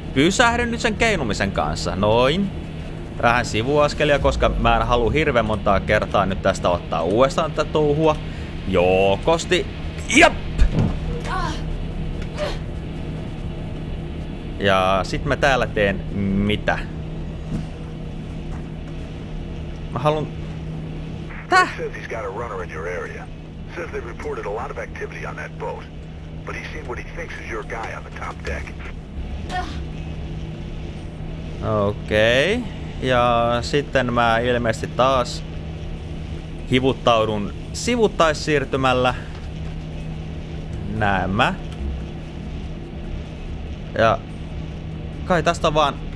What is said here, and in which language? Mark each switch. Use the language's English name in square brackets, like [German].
[Finnish] Pysähdy nyt sen keinumisen kanssa. Noin. Vähän sivuaskelia, koska mä en halua hirveän montaa kertaa nyt tästä ottaa uudestaan tätä touhua. Joo, kosti. Jep! Ja sit mä täällä teen mitä? Mä haluun... Täh? [English] Says he's got a runner in your area. Says they reported a lot of activity on that boat. But he's seen what he thinks is your guy on the top deck. [Finnish] Okei. Ja sitten mä ilmeisesti taas hivuttaudun sivuttaissiirtymällä. Näen mä. Ja kai tästä vaan...